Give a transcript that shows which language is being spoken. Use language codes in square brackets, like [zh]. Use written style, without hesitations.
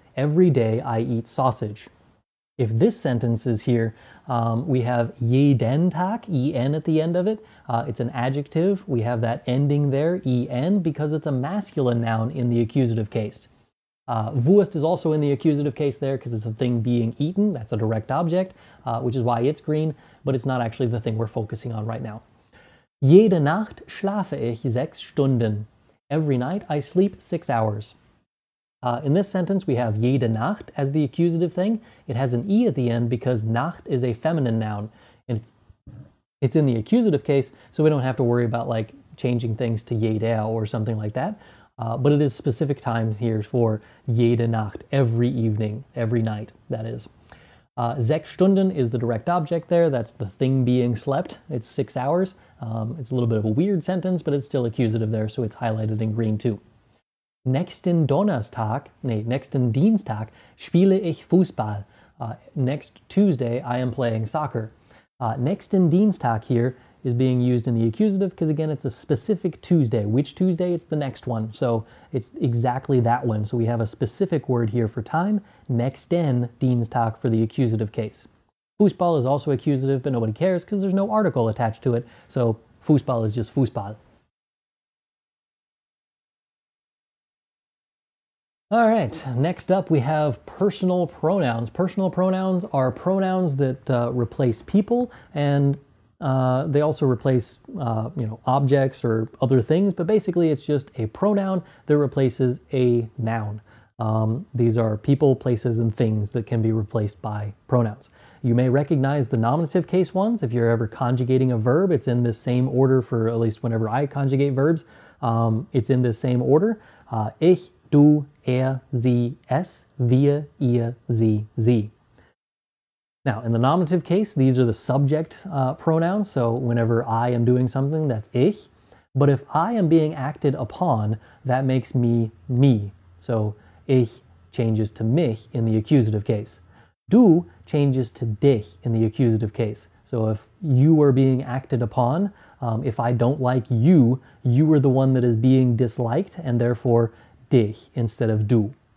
[en] Every day I eat sausage. If this sentence is here, we have [de] jeden Tag, [en] en at the end of it. It's an adjective. We have that ending there, en, because it's a masculine noun in the accusative case. Wurst is also in the accusative case there because it's a thing being eaten. That's a direct object, which is why it's green, but it's not actually the thing we're focusing on right now. [de] Jede Nacht schlafe ich 6 Stunden. [en] Every night I sleep 6 hours. In this sentence, we have [de] jede Nacht [en] as the accusative thing. It has an E at the end because Nacht is a feminine noun. And it's in the accusative case, so we don't have to worry about like changing things to jede or something like that. But it is specific time here for [de] jede Nacht, [en] every evening, every night, that is. [de] 6 Stunden [en] is the direct object there. That's the thing being slept. It's 6 hours. It's a little bit of a weird sentence, but it's still accusative there, so it's highlighted in green too. [de] Nächsten Dienstag spiele ich Fußball. [en] Next Tuesday, I am playing soccer. [de] Nächsten Dienstag [en] here is being used in the accusative because, again, it's a specific Tuesday. Which Tuesday? It's the next one. So it's exactly that one. So we have a specific word here for time. [de] Nächsten Dienstag [en] for the accusative case. Fußball is also accusative, but nobody cares because there's no article attached to it. So Fußball is just Fußball. All right, next up we have personal pronouns. Personal pronouns are pronouns that replace people, and they also replace objects or other things, but basically it's just a pronoun that replaces a noun. These are people, places, and things that can be replaced by pronouns. You may recognize the nominative case ones if you're ever conjugating a verb. It's in the same order for at least whenever I conjugate verbs. It's in the same order. [de] Ich, du, sie, es, wir, ihr, sie, sie. [en] Now, in the nominative case, these are the subject pronouns. So whenever I am doing something, that's ich. But if I am being acted upon, that makes me me. So ich changes to mich in the accusative case. Du changes to dich in the accusative case. So if you are being acted upon, if I don't like you, you are the one that is being disliked, and therefore dich instead of du.